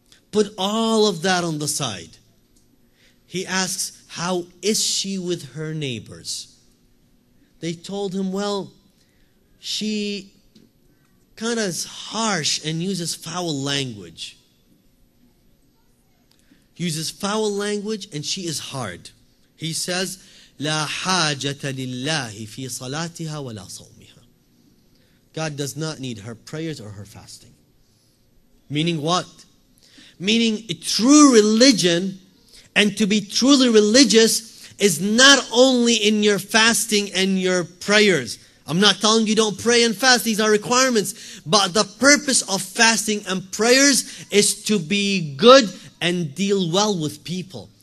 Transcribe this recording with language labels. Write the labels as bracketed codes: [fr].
[en] Put all of that on the side. He asks, how is she with her neighbors? They told him, well, she kind of is harsh and uses foul language. Uses foul language and she is hard. He says, [ar] لا حاجة لله في صلاتها ولا صومها. [en] God does not need her prayers or her fasting. Meaning what? Meaning a true religion. And to be truly religious is not only in your fasting and your prayers. I'm not telling you don't pray and fast. These are requirements. But the purpose of fasting and prayers is to be good and deal well with people.